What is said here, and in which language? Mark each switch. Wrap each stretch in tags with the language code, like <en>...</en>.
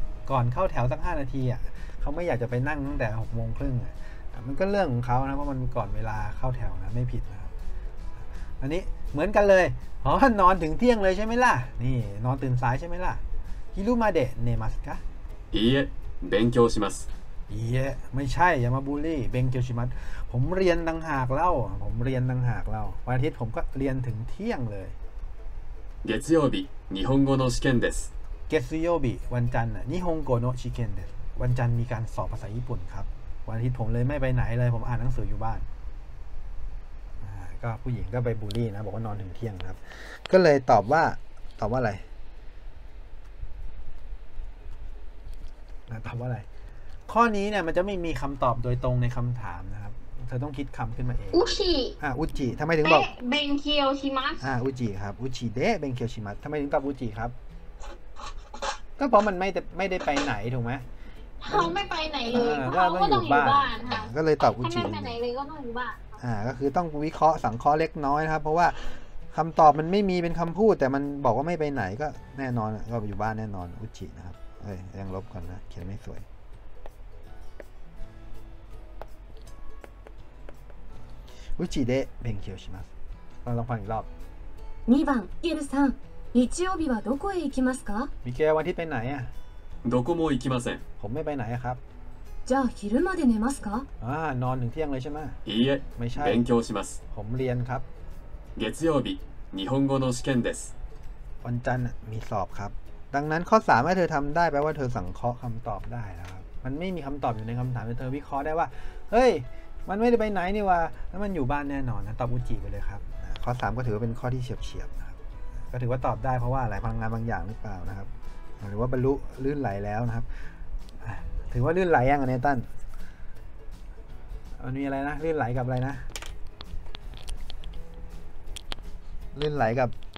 <th>ก่อนเข้าแถวสัก5นาทีอ่ะเขาไม่อยากจะไปนั่งตั้งแต่6โมงครึ่งอ่ะมันก็เรื่องของเขานะเพราะมันก่อนเวลาเข้าแถวนะไม่ผิดนะอันนี้เหมือนกันเลยอ๋อนอนถึงเที่ยงเลยใช่ไหมล่ะนี่นอนตื่นสายใช่ไหมล่ะฮิรุมาเดะเนมัสกะ</th> <ja>いいえ勉強しますいいえ</ja> <th>ไม่ใช่อย่ามาบูลลี่</th> <ja>勉強します</ja> <th>ผมเรียนต่างหากเล่าผมเรียนต่างหากเล่าวันอาทิตย์ผมก็เรียนถึงเที่ยงเลย</th> <ja>月曜日日本語の試験です月曜日</ja> <th>วันจันทร์</th> <ja>日本語の試験です</ja> <th>วันจันทร์มีการสอบภาษาญี่ปุ่นครับวันอาทิตย์ผมเลยไม่ไปไหนเลยผมอ่านหนังสืออยู่บ้านก็ผู้หญิงก็ไปบูลลี่นะบอกว่านอนถึงเที่ยงครับก็เลยตอบว่าอะไรนะตอบว่าอะไรข้อนี้เนี่ยมันจะไม่มีคำตอบโดยตรงในคำถามนะครับเธอต้องคิดคำขึ้นมาเอง อุจิ อุจิทำไมถึงบอก เบนเคียวชิมัส อุจิครับอุจิเดะเบนเคียวชิมัสทำไมถึงตอบอุจิครับก็เพราะมันไม่ได้ไปไหนถูกไหม เขาไม่ไปไหนเลยเขาก็ต้องอยู่บ้านค่ะ ก็เลยตอบอุจิ ไม่ไปไหนเลยก็ต้องอยู่บ้ าน ก็คือต้องวิเคราะห์สังเคราะห์เล็กน้อยนะครับเพราะว่าคำตอบมันไม่มีเป็นคำพูดแต่มันบอกว่าไม่ไปไหนก็แน่นอนก็อยู่บ้านแน่นอนอุจินะครับเอ้ยยังลบก่อนนะเขียนไม่สวยอุจิเดะเบนเคียวชิมัสเราลองฟังอีกรอบ</th> <ja>2番イケルさん日曜日はどこへ行きますか</ja> <th>มิเกลวันที่ไปไหนอ่ะ</th> <ja>どこも行きません。</ja> <th>ผมไม่ไปไหนครับ。</th> <ja>じゃあ昼まで寝ますか？</ja> <th>นอนถึงเที่ยงเลยใช่ไหม？</th> <ja>いいえ。</ja> <th>ไม่ใช่。</th> <ja>勉強します。</ja> <th>ผมเรียนครับ。</th> <ja>月曜日、日本語の試験です。</ja> <th>วันจันทร์มีสอบครับ。 ดังนั้นข้อ3ให้เธอทำได้แปลว่าเธอสังเคราะห์คำตอบได้แล้วครับ。 มันไม่มีคำตอบอยู่ในคำถามแต่เธอวิเคราะห์ได้ว่าเฮ้ยมันไม่ได้ไปไหนนี่วะแล้วมันอยู่บ้านแน่นอนนะตอบอุจิไปเลยครับ。 ข้อ3ก็ถือว่าเป็นข้อที่เฉียบเฉียบนะครับ。ก็ถือว่าตอบได้เพราะว่าหลายพลังงานบางอย่างหรือเปล่านะครับหรือว่าบรรลุลื่นไหลแล้วนะครับถือว่าลื่นไหลยังอันนี้ตั้นมันมีอะไรนะลื่นไหลกับอะไรนะลื่นไหลกับ</th>